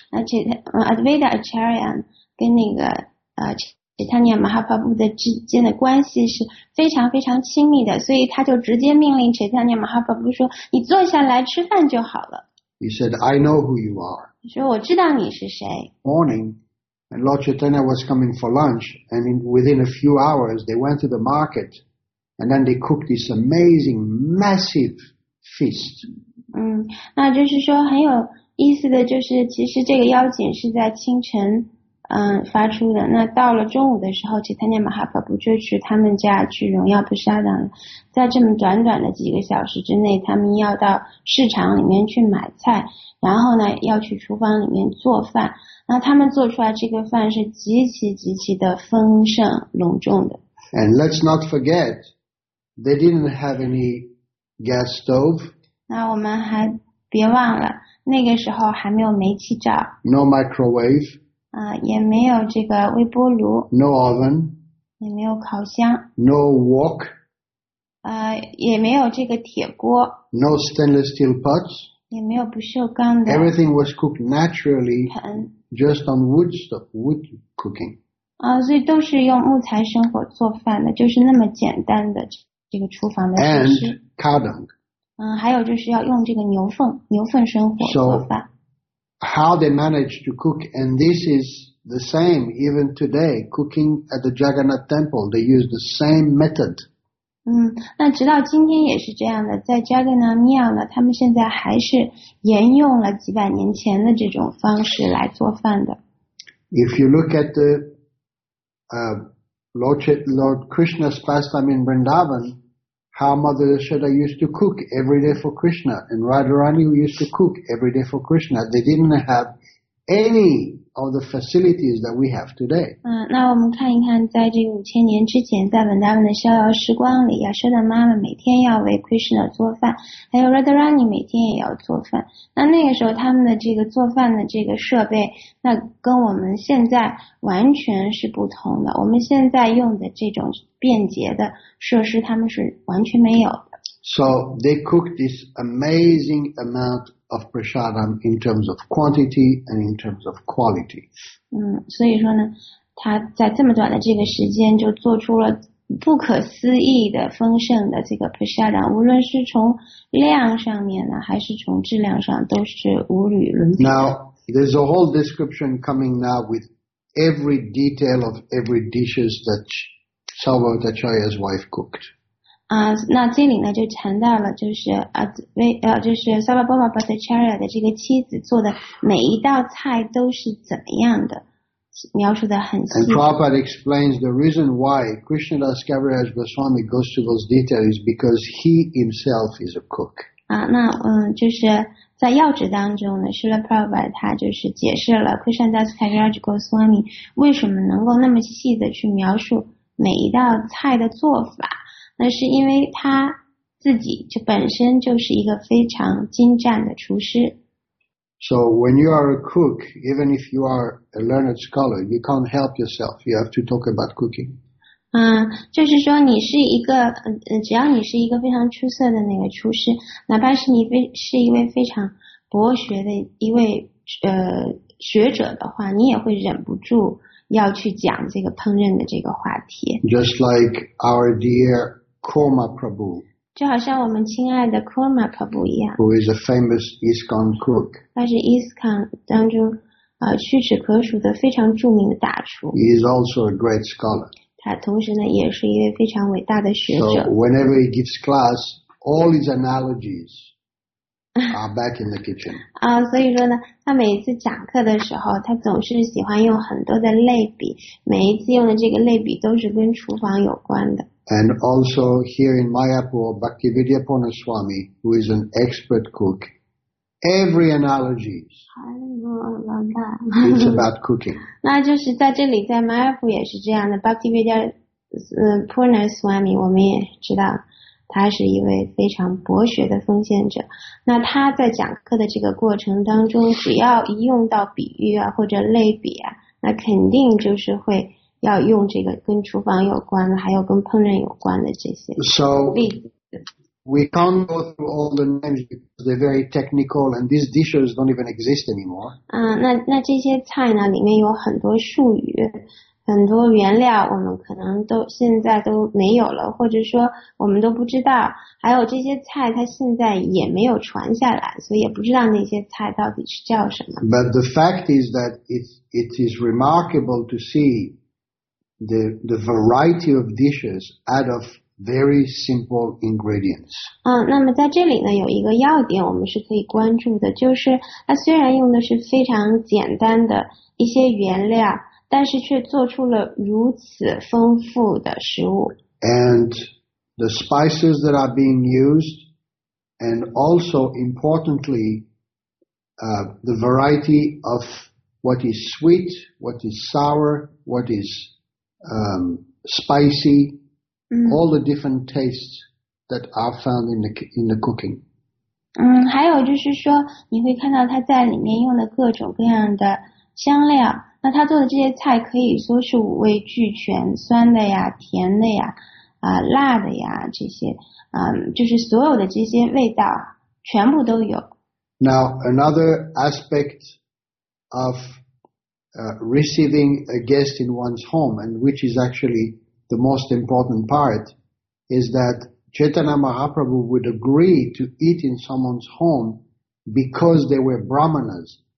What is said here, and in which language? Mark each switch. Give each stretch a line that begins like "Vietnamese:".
Chinese: Advaita Acharya 跟那个Chaitanya Mahaprabhu 的之间的关系是非常非常亲密的，所以他就直接命令 Chaitanya Mahaprabhu 说：“你坐下来吃饭就好了。
English: He said, I know who you are.
Chinese: ”说：“我知道你是谁。
English: Morning. And Lord Chaitanya was coming for lunch, and within a few hours, they went to the market, and then they cooked this amazing, massive feast.
Chinese: 那就是说很有意思的就是，其实这个邀请是在清晨。发出的。那到了中午的时候，其他尼玛哈巴布就去他们家去荣耀不沙当了。在这么短短的几个小时之内，他们要到市场里面去买菜，然后呢要去厨房里面做饭。那他们做出来这个饭是极其极其的丰盛隆重的。
English: And let's not forget, they didn't have any gas stove,
Chinese: 那我们还别忘了，那个时候还没有煤气灶。
English: no microwave,
Chinese: 也没有这个微波炉，
English: no oven,
Chinese: 也没有烤箱，
English: no wok,
Chinese: 也没有这个铁锅，
English: no stainless steel pots,
Chinese: 也没有不锈钢的
English: everything was cooked naturally,
Chinese: 盆。
English: just on wood stuff, wood cooking.
Chinese: 所以都是用木材生火做饭的，就是那么简单的这个厨房的设
English: And
Chinese: 施。
English: cardung.
Chinese: 还有就是要用这个牛粪生火做
English: So,
Chinese: 饭。
English: how they managed to cook, and this is the same even today, cooking at the Jagannath Temple, they use the same method.
Chinese: 那直到今天也是这样的，在 Jagannath 庙呢，他们现在还是沿用了几百年前的这种方式来做饭的。
English: If you look at the, Lord Krishna's pastime in Vrindavan, how Mother Yashoda used to cook every day for Krishna, and Radharani used to cook every day for Krishna. They didn't have any of the facilities that we have today.
Chinese: 那我们看一看，在这5000年之前，在文达文的逍遥时光里，亚瑟的妈妈每天要为 Krishna 做饭，还有 Radharani 每天也要做饭。那个时候，他们的这个做饭的这个设备，那跟我们现在完全是不同的。我们现在用的这种便捷的设施，他们是完全没有的。
English: So they cooked this amazing amount of prasadam in terms of quantity and in terms of quality.
Chinese: 所以说呢，他在这么短的这个时间就做出了不可思议的丰盛的这个 prasadam，无论是从量上面呢，还是从质量上，都是无与伦比的。
English: Now, there's a whole description coming now with every detail of every dishes that Salvatacharya's wife cooked.
Chinese: 那这里呢就谈到了，就是就是 Sarvabhauma Bhattacharya 的这个妻子做的每一道菜都是怎么样的，描述的很细。
English: And Prabhupada explains the reason why Krishnadas Kaviraj Goswami goes to those details because he himself is a cook.
Chinese: 就是在药旨当中呢，Srila Prabhupada 他就是解释了 Krishnadas Kaviraj Goswami 为什么能够那么细的去描述每一道菜的做法。那是因为他自己就本身就是一个非常精湛的厨师。
English: So when you are a cook, even if you are a learned scholar, you can't help yourself. You have to talk about cooking.
Chinese: 就是说你是一个，只要你是一个非常出色的那个厨师，哪怕是你是一位非常博学的一位学者的话，你也会忍不住要去讲这个烹饪的这个话题。
English: Just like our dear Korma Prabhu,
Chinese: 就好像我们亲爱的 Korma Prabhu 一样
English: who is a famous ISKCON cook.
Chinese: 他是 ISKCON 当中屈指可数的非常著名的大厨。
English: He is also a great scholar.
Chinese: 他同时呢也是一位非常伟大的学者。
English: So whenever he gives class, all his analogies are back in the kitchen.
Chinese: 所以说呢，他每一次讲课的时候，他总是喜欢用很多的类比，每一次用的这个类比都是跟厨房有关的。
English: And also here in Mayapur, Bhaktivedya Purna Swami, who is an expert cook, every analogy is about cooking.
Chinese: 那就是在这里，在 Mayapur 也是这样的。Bhaktivedya Purna Swami, 我们也知道，他是一位非常博学的奉献者。那他在讲课的这个过程当中，只要一用到比喻啊或者类比啊，那肯定就是会要用这个跟厨房有关的，还有跟烹饪有关的这些例子。
English: We can't go through all the names because they're very technical, and these dishes don't even exist anymore.
Chinese: 那这些菜呢，里面有很多术语，很多原料，我们可能都现在都没有了，或者说我们都不知道。还有这些菜，它现在也没有传下来，所以也不知道那些菜到底是叫什么。
English: But the fact is that it is remarkable to see the variety of dishes out of very simple ingredients.
Chinese: 那么在这里呢，有一个要点我们是可以关注的，就是它虽然用的是非常简单的一些原料，但是却做出了如此丰富的食物。
English: And the spices that are being used, and also importantly, the variety of what is sweet, what is sour, what is spicy. All the different tastes that are found in the cooking.
Chinese: 还有就是说，你会看到他在里面用的各种各样的香料。那他做的这些菜可以说是五味俱全，酸的呀，甜的呀，辣的呀，这些，就是所有的这些味道全部都有。
English: Now another aspect of receiving a guest in one's home, and which is actually the most important part, is that Chaitanya Mahaprabhu would agree to eat in someone's home because they were Brahmanas.